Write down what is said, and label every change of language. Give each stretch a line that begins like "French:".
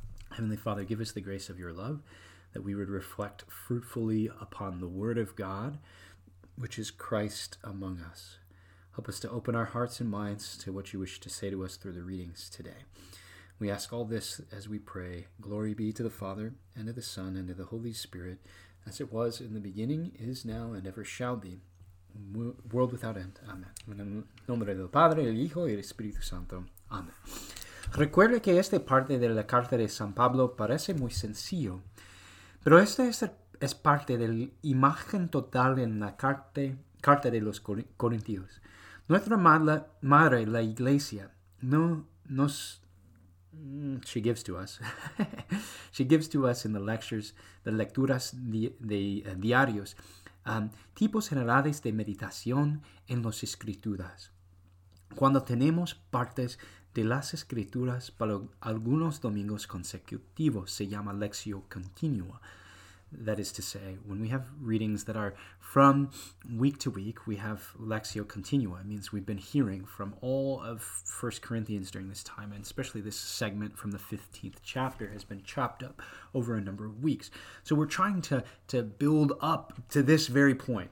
English: Heavenly Father, give us the grace of your love that we would reflect fruitfully upon the Word of God, which is Christ among us. Help us to open our hearts and minds to what you wish to say to us through the readings today. We ask all this as we pray. Glory be to the Father, and to the Son, and to the Holy Spirit, as it was in the beginning, is now, and ever shall be, world without end. Amen.
Spanish: En el nombre del Padre, el Hijo, y el Espíritu Santo. Amen. Recuerde que esta parte de la carta de San Pablo parece muy sencillo, pero esta es parte de la imagen total en la carta de los Corintios. Nuestra madre, la Iglesia, no nos...
English: She gives to us. She gives to us in the lectures, the lecturas diarios, tipos generales de meditación en las escrituras.
Spanish: Cuando tenemos partes de las escrituras para algunos domingos consecutivos, se llama lectio continua.
English: That is to say, when we have readings that are from week to week, we have lectio continua. It means we've been hearing from all of 1 Corinthians during this time, and especially this segment from the 15th chapter has been chopped up over a number of weeks. So we're trying to build up to this very point.